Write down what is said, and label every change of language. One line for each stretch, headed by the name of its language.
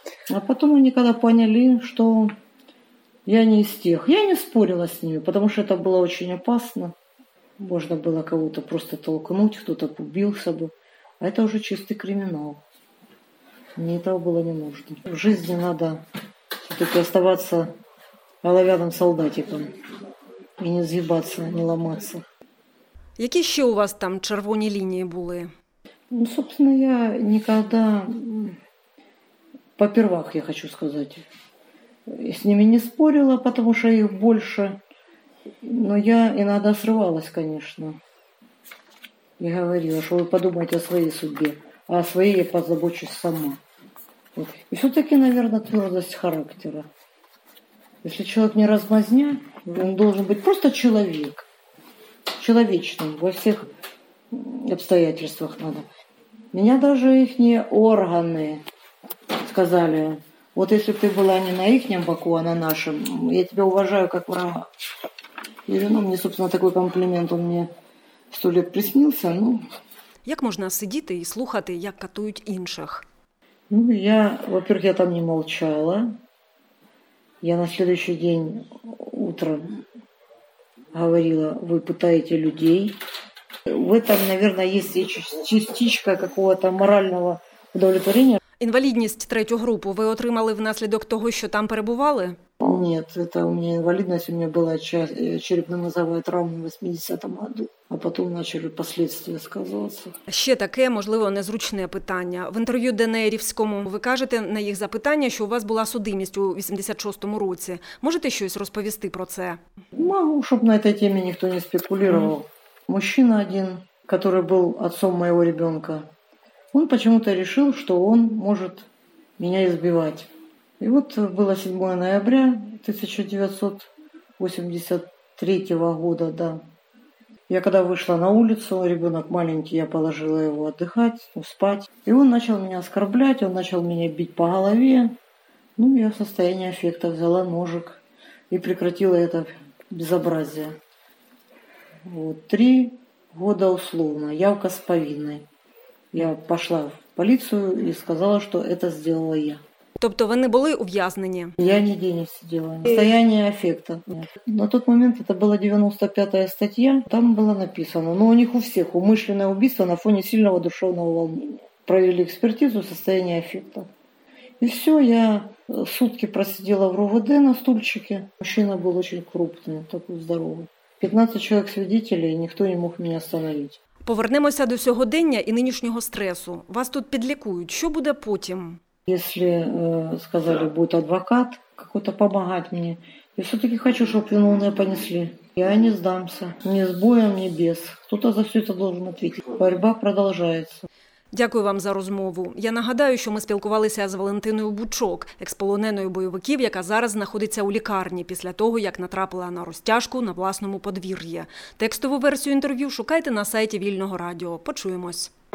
Russian: А потом они когда поняли, что я не из тех. Я не спорила с ними, потому что это было очень опасно. Можно было кого-то просто толкнуть, кто-то убился бы. А это уже чистый криминал. Мне этого было не нужно. В жизни надо все-таки оставаться
Ukrainian: головяним солдатиком і не з'їбатися, не ламатися. Які ще у вас там червоні лінії були?
Russian: Ну, собственно,
Ukrainian: я ніколи,
Russian: по-первых,
Ukrainian: я хочу сказати, з ними не спорила, тому що їх більше.
Russian: Но я иногда срывалась, конечно. Я говорила, что вы подумайте о своей судьбе, а о своей я позабочусь сама. Вот. И все-таки, наверное, твердость характера. Если человек не размазня, он должен быть просто человек. Человечным во всех обстоятельствах надо. Меня даже их органы сказали, вот если бы ты была не на ихнем боку, а на нашем, я тебя уважаю как врага. Или, ну, мне, собственно, такой комплимент, он мне 100 лет приснился, ну.
Ukrainian: Як можна сидіти і слухати, як катують інших?
Russian: Ну, я, во-первых, я там не молчала. Я на следующий день утром говорила, вы пытаете людей. В этом, наверное, есть частичка какого-то морального удовлетворения.
Ukrainian: Інвалідність третю групу ви отримали внаслідок того, що там перебували?
Russian: Нет, это у меня инвалидность, у меня была черепно-мозговая травма в 80-м году, а потом начали последствия сказываться.
Ukrainian: Ще таке, можливо, незручне питання. В інтерв'ю Денеєрівському ви кажете на їх запитання, що у вас була судимість у 86-му році. Можете щось розповісти про це? Могу, щоб на цій темі ніхто не спекулював. Мужчина один, який був отцом моєго дитини, він чомусь вирішив, що він може мене збивати.
Russian: И вот было 7 ноября 1983 года, да. Я когда вышла на улицу, ребенок маленький, я положила его отдыхать, ну, спать. И он начал меня оскорблять, он начал меня бить по голове. Ну, я в состоянии аффекта взяла ножик и прекратила это безобразие. Вот, 3 года условно, явка с повинной. Я пошла в полицию и сказала, что это сделала я.
Ukrainian: Тобто вони були ув'язнені? Я ніде не сиділа. Стояння афекту. На той момент це була 95-та стаття. Там було написано, ну у них у всіх умисне вбивство на фоні сильного душевного волнення. Провели експертизу стояння афекту. І все, я сутки просиділа в РУВД на стульчике. Мужчина був дуже крупний, такий здоровий. 15 чоловік свідкові, ніхто не міг мене зупинити. Повернемося до сьогодення і нинішнього стресу. Вас тут підлікують. Що буде потім?
Russian: Если сказали, будет адвокат какой-то помогать мне, я все-таки хочу, чтобы виновные понесли. Я не сдамся. Ни с боем, ни без. Кто-то за все это должен ответить. Борьба продолжается.
Ukrainian: Дякую вам за розмову. Я нагадаю, що ми спілкувалися з Валентиною Бучок, експолоненою бойовиків, яка зараз знаходиться у лікарні після того, як натрапила на розтяжку на власному подвір'ї. Текстову версію інтерв'ю шукайте на сайті Вільного радіо. Почуємось.